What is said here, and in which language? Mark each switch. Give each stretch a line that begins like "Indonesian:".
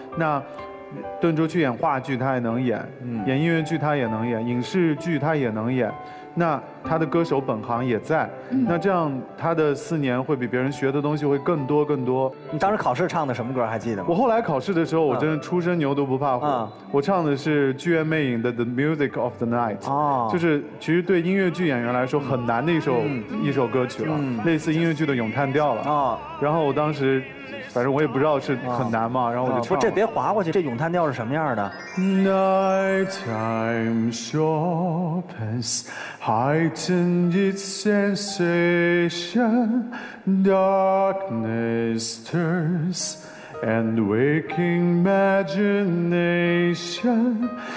Chinese: 那顿珠去演话剧，他也能演；演音乐剧，他也能演；影视剧，他也能演。那他的歌手本行也在。那这样，他的四年会比别人学的东西会更多更多。你当时考试唱的什么歌还记得吗？我后来考试的时候，我真的初生牛犊不怕虎。我唱的是剧院魅影的《The Music of the Night》。就是其实对音乐剧演员来说很难的一首歌曲了，类似音乐剧的咏叹调了。然后我当时，反正我也不知道是很难嘛，然后我就唱。这别划过去，这咏叹调是什么样的
English: ？Nighttime sharpens, heightens its sensation. Darkness stirs, and waking imagination.